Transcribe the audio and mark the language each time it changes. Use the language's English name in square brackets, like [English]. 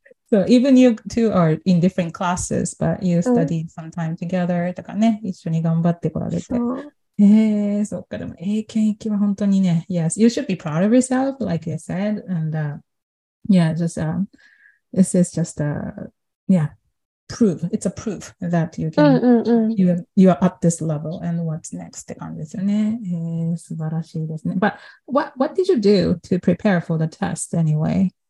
[English] So even you two are in different classes, but you studied some time together. [Japanese] だからね、一緒に頑張ってこられて。そっか、でも英検一級は本当にね。 [English] Yes, you should be proud of yourself, like you said. And this is just it's a proof that you can you are at this level, and what's next [Japanese] って感じですよね。素晴らしいですね。 [English] But what did you do to prepare for the test anyway?